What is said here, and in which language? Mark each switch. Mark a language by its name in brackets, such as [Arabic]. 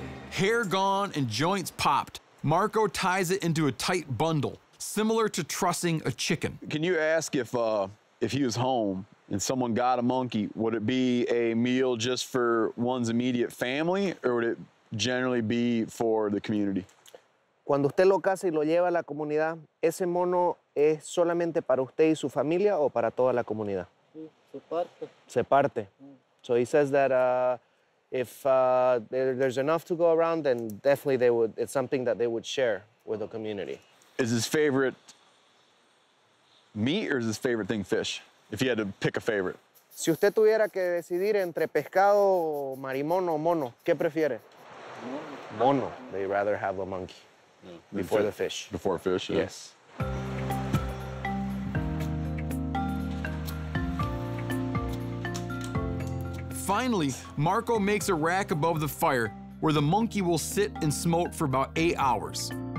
[English] Hair gone and joints popped. Marco ties it into a tight bundle, similar to trussing a chicken. Can you ask if he was home and someone got a monkey, would it be a meal just for one's immediate family, or would it generally be for the community? [Spanish] Cuando usted lo caza y lo lleva a la comunidad, ese mono es solamente para usted y su familia o para toda la comunidad? Se parte. Se parte. [English] So he says that if there's enough to go around, then definitely it's something that they would share with the community. Is his favorite meat or is his favorite thing fish? If he had to pick a favorite. [Spanish] Si usted tuviera que decidir entre pescado, marimón o mono, ¿qué prefiere? Mono. [English] They rather have a monkey before the fish. Before fish, yeah. Yes. Finally, Marco makes a rack above the fire where the monkey will sit and smoke for about 8 hours.